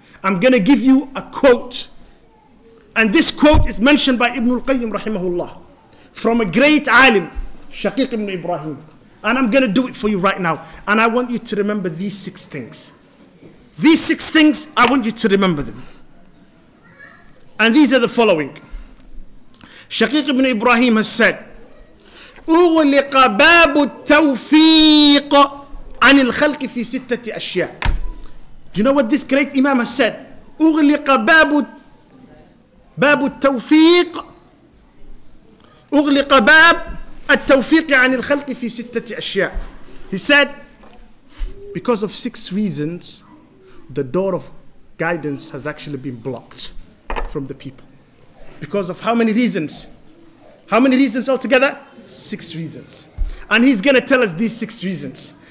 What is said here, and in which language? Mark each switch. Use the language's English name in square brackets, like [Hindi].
[English] I'm going to give you a quote. And this quote is mentioned by Ibn al-Qayyim rahimahullah, from a great alim, Shaqiq ibn Ibrahim. And I'm going to do it for you right now. And I want you to remember these six things. These six things, I want you to remember them. And these are the following. [Arabic] Shaqiq ibn Ibrahim [English] has said, [Arabic] أُغْلِقَ بَابُ التَّوْفِيقَ عَنِ الْخَلْقِ فِي سِتَّةِ أَشْيَاءَ. [English] Do you know what this great imam has said? [Arabic] أُغْلِقَ بَابُ التَّوْفِيقَ أغلق باب التوفيق عن الخلق في ستة أشياء. [English] He said, because of six reasons, the door of guidance has actually been blocked from the people. Because of how many reasons? How many reasons altogether? Six reasons. And he's going to tell us these six reasons.